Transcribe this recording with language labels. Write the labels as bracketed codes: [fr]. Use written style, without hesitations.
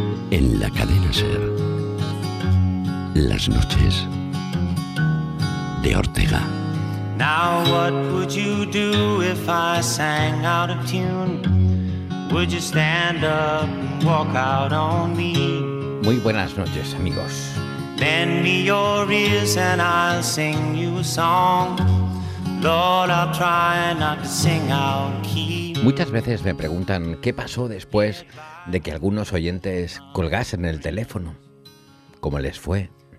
[es] En la cadena Ser, las noches de Ortega. [en] Now what would you do if I sang out of tune? Would you stand up and walk out on me? [es] Muy buenas noches, amigos. [en] Bend me your ears and I'll sing you a song. Lord, I'll try not to sing out key. [es] Muchas veces me preguntan qué pasó después de que algunos oyentes colgasen el teléfono. ¿Cómo les fue?